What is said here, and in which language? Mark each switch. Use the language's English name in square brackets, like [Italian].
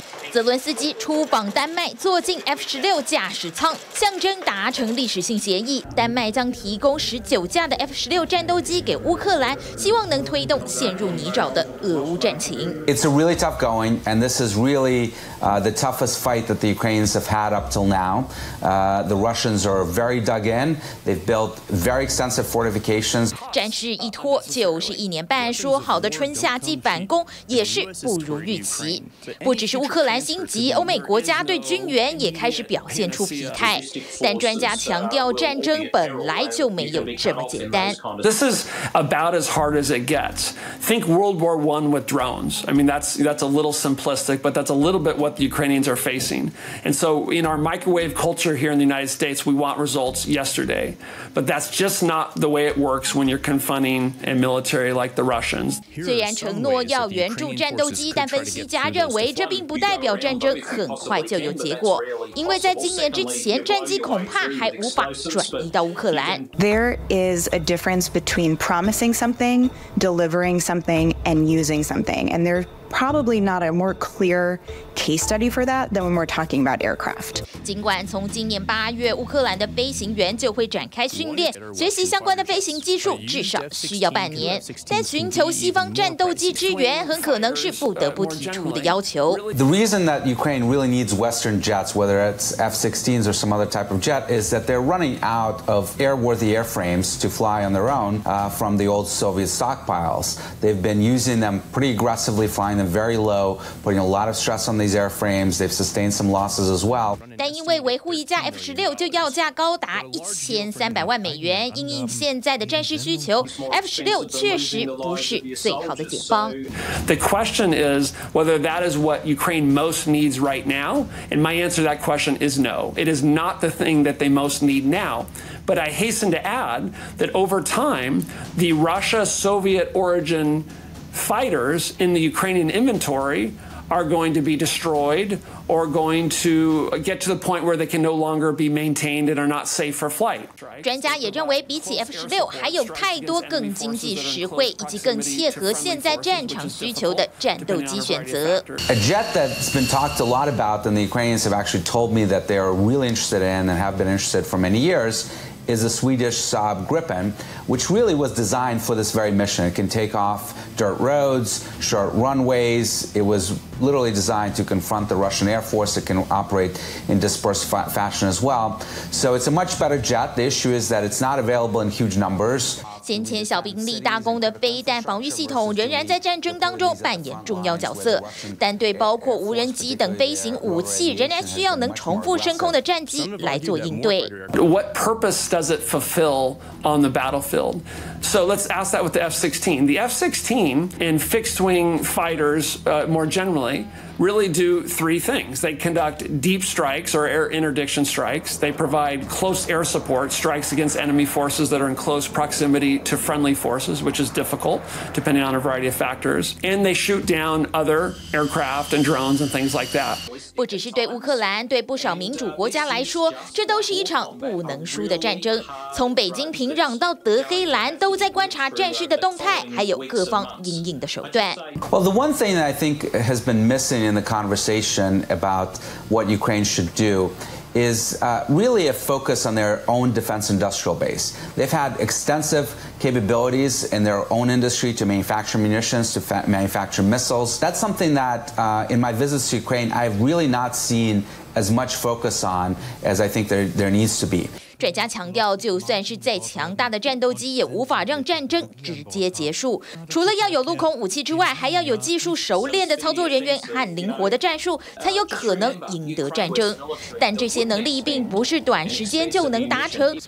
[Chinese] 泽伦斯基出访丹麦，坐进 F-16 驾驶舱，象征达成历史性协议。丹麦将提供19架的 F-16 战斗机给乌克兰，希望能推动陷入泥沼的俄乌战情。 [English] It's a really tough going, and this is really the toughest fight that the Ukrainians have had up till now. The Russians are very dug in. They've built very extensive fortifications. [Chinese] 战事一拖就是一年半，说好的春夏季反攻也是不如预期。不只是乌克兰。南星级欧美国家对军援也开始表现出疲态，但专家强调，战争本来就没有这么简单。 [English] This is about as hard as it gets. Think World War I with drones. I mean, that's a little simplistic, but that's a little bit what the Ukrainians are facing. And so, in our microwave culture here in the United States, we want results yesterday. But that's just not the way it works when you're confronting a military like the Russians. [Chinese] 虽然承诺要援助战斗机，但分析家认为这并不代表战争很快就有结果，因为在今年之前，战机恐怕还无法转移到乌克兰。 [English] There is a difference between promising something, delivering something, and using something, and there's probably not a more clear case study for that than when we're talking about aircraft. [Chinese] 尽管从今年八月，乌克兰的飞行员就会展开训练，学习相关的飞行技术，至少需要半年，但寻求西方战斗机支援，很可能是不得不提出的要求。 [English] The reason that Ukraine really needs Western jets, whether it's F-16s or some other type of jet, is that they're running out of airworthy airframes to fly on their own from the old Soviet stockpiles. They've been using them pretty aggressively, flying them very low, putting a lot of stress on these airframes. They've sustained some losses as well. [Chinese] 但因为维护一架 F-16 就要价高达$1,300万，因应现在的战事需求 ，F-16 确实不是最好的解方。 [English] The question is whether that is what Ukraine most needs right now, and my answer to that question is no. It is not the thing that they most need now. But I hasten to add that over time, the Russia-Soviet origin fighters in the Ukrainian inventory are going to be destroyed or going to get to the point where they can no longer be maintained and are not safe for flight. [Chinese] 专家也认为，比起 F-16， 还有太多更经济实惠以及更切合现在战场需求的战斗机选择。 [English] A jet that's been talked a lot about and the Ukrainians have actually told me that they are really interested in and have been interested for many years is a Swedish Saab Gripen, which really was designed for this very mission. It can take off dirt roads, short runways. It was literally designed to confront the Russian Air Force. It can operate in dispersed fashion as well. So it's a much better jet. The issue is that it's not available in huge numbers. [Chinese] 先前小兵立大功的飞弹防御系统仍然在战争当中扮演重要角色，但对包括无人机等飞行武器仍然需要能重复升空的战机来做应对。 [English] What purpose does it fulfill on the battlefield? So let's ask that with the F-16. The F-16 and fixed-wing fighters more generally really do three things. They conduct deep strikes or air interdiction strikes. They provide close air support, strikes against enemy forces that are in close proximity to friendly forces, which is difficult depending on a variety of factors. And they shoot down other aircraft and drones and things like that. [Chinese] 不只是对乌克兰，对不少民主国家来说，这都是一场不能输的战争。从北京平壤到德黑兰，都在观察战事的动态，还有各方因应的手段。 [English] Well, the one thing that I think has been missing in the conversation about what Ukraine should do is really a focus on their own defense industrial base. They've had extensive capabilities in their own industry to manufacture munitions, to manufacture missiles. That's something that in my visits to Ukraine, I've really not seen as much focus on as I think there needs to be. [Chinese] 专家强调，就算是再强大的战斗机也无法让战争直接结束。除了要有陆空武器之外，还要有技术熟练的操作人员和灵活的战术，才有可能赢得战争。但这些能力并不是短时间就能达成。